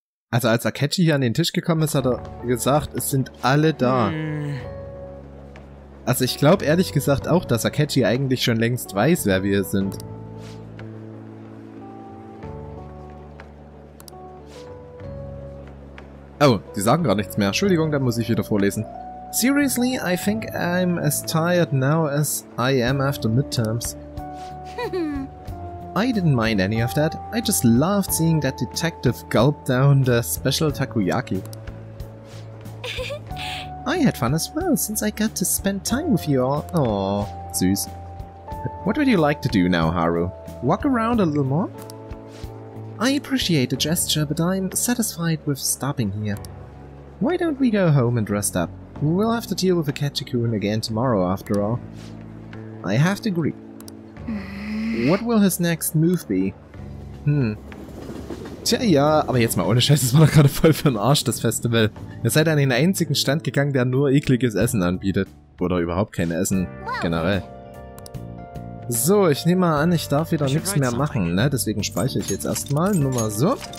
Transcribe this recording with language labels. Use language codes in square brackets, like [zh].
[de] Also als Akechi hier an den Tisch gekommen ist, hat er gesagt, es sind alle da. Also ich glaube ehrlich gesagt auch, dass Akechi eigentlich schon längst weiß, wer wir sind. Oh, die sagen gar nichts mehr. Entschuldigung, dann muss ich wieder vorlesen. [en] Seriously, I think I'm as tired now as I am after midterms. I didn't mind any of that. I just loved seeing that detective gulp down the special takoyaki. I had fun as well, since I got to spend time with you all. [de] Aww, süß. [en] What would you like to do now, Haru? Walk around a little more? I appreciate the gesture, but I'm satisfied with stopping here. Why don't we go home and rest up? We'll have to deal with a Akechi-kun again tomorrow, after all. I have to agree. What will his next move be? [de] Tja, ja, aber jetzt mal ohne Scheiß, das war doch gerade voll für den Arsch, das Festival. Ihr seid an den einzigen Stand gegangen, der nur ekliges Essen anbietet. Oder überhaupt kein Essen, generell. So, ich nehme mal an, ich darf wieder nichts mehr machen, ne? Deswegen speichere ich jetzt erstmal. Nur mal so.